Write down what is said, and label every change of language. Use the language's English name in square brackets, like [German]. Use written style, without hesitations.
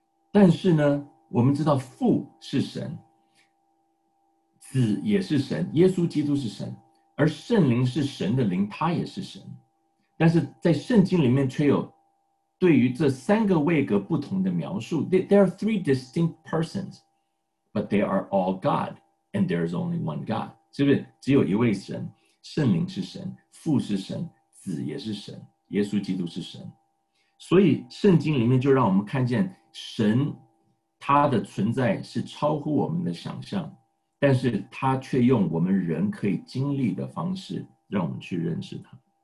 [Chinese] 但是呢，我们知道父是神，子也是神，耶稣基督是神，而圣灵是神的灵，他也是神。但是在圣经里面却有对于这三个位格不同的描述。 [English] There are three distinct persons, but they are all God, and there is only one God. [Chinese] 是不是只有一位神？圣灵是神，父是神，子也是神，耶稣基督是神。所以圣经里面就让我们看见神他的存在是超乎我们的想象，但是他却用我们人可以经历的方式让我们去认识他。